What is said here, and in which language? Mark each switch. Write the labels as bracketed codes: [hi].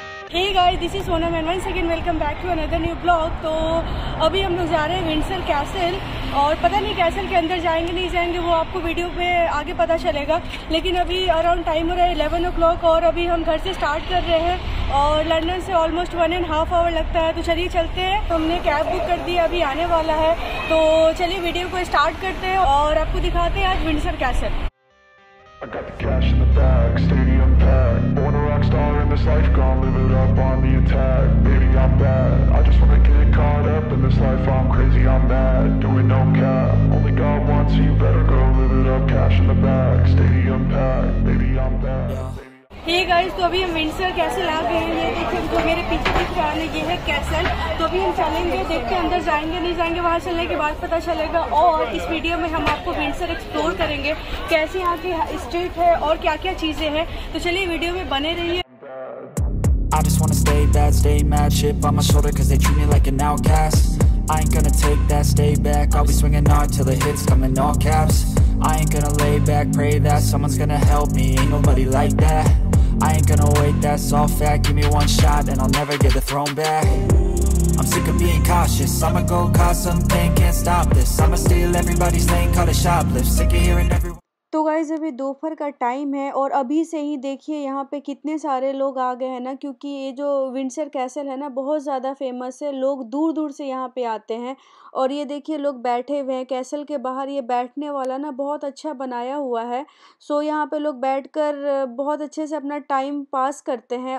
[en] Hey guys, this is Sonam and once again welcome back to another new vlog. [hi] तो अभी हम लोग जा रहे हैं विंडसर कैसल और पता नहीं कैसल के अंदर जाएंगे नहीं जाएंगे वो आपको वीडियो पे आगे पता चलेगा, लेकिन अभी अराउंड टाइम हो रहा है 11 o'clock और अभी हम घर से स्टार्ट कर रहे हैं और लंदन से ऑलमोस्ट 1.5 hours लगता है, तो चलिए चलते हैं। हमने कैब बुक कर दी, अभी आने वाला है, तो चलिए वीडियो को स्टार्ट करते हैं और आपको दिखाते हैं आज Windsor castle. [en] I got the cash in the bag, stadium packed. Born a rock star in this life, gone live it up on the attack. Baby, I'm bad, I just wanna get caught up in this life. I'm crazy, I'm mad, doing no cap. Only God wants you, better go live it up. Cash in the bag, stadium packed. Baby, I'm bad. [hi] Hey guys, तो अभी हम Windsor castle आ गए हैं, देखिए तो मेरे पीछे दिख रहा है ये है कैसल, तो अभी हम चलेंगे, देखते हैं अंदर जाएंगे नहीं जाएंगे, वहाँ चलने के बाद पता चलेगा। और इस वीडियो में हम आपको विंडसर एक्सप्लोर करेंगे कैसे यहाँ की स्ट्रीट है और क्या क्या चीजें हैं, तो चलिए वीडियो में बने रहिए। [en] I just wanna stay bad, stay mad, chip on my shoulder cause they treat me like an outcast. I ain't gonna take that, stay back, I'll be swinging hard till the hits come in all caps. I ain't gonna lay back, pray that someone's gonna help me, ain't nobody like that. I ain't gonna wait, that's all fact. Give me one shot and I'll never get the throne back. I'm sick of being cautious, I'ma go cause something, can't stop this. I'ma steal everybody's lane, call it shoplift. Sick of hearing everyone. [hi] तो guys अभी दोपहर का time है और अभी से ही देखिए यहाँ पे कितने सारे लोग आ गए हैं ना, क्योंकि ये जो विंडसर कैसल है ना बहुत ज़्यादा फेमस है, लोग दूर दूर से यहाँ पे आते हैं। और ये देखिए लोग बैठे हुए हैं कैसल के बाहर, ये बैठने वाला ना बहुत अच्छा बनाया हुआ है, सो यहाँ पे लोग बैठकर बहुत अच्छे से अपना टाइम पास करते हैं।